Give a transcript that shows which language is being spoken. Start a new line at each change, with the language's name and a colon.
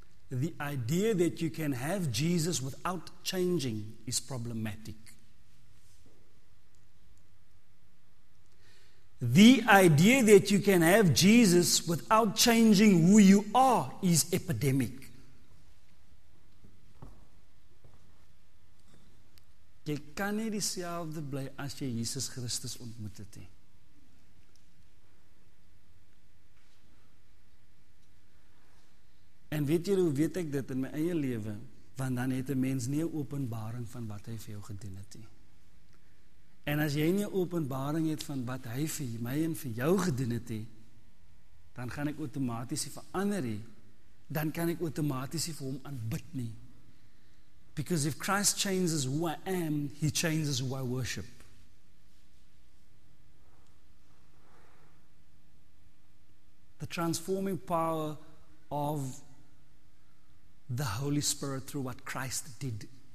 English: The idea that you can have Jesus without changing is problematic. The idea that you can have Jesus without changing who you are is epidemic.
Afrikaans: Jy kan nie dieselfde bly as jy Jesus Christus ontmoet het nie. En weet jy hoe weet ek dit in my eie lewe? Want dan het 'n mens nie 'n openbaring van wat hy vir jou gedoen het nie. En as jy nie openbaring het van wat hy vir my en vir jou gedoen het, dan gaan ek outomaties verander, dan kan ek outomaties vir hom aanbid nie.
English: Because if Christ changes who I am, he changes who I worship. The transforming power of the Holy Spirit through what Christ did.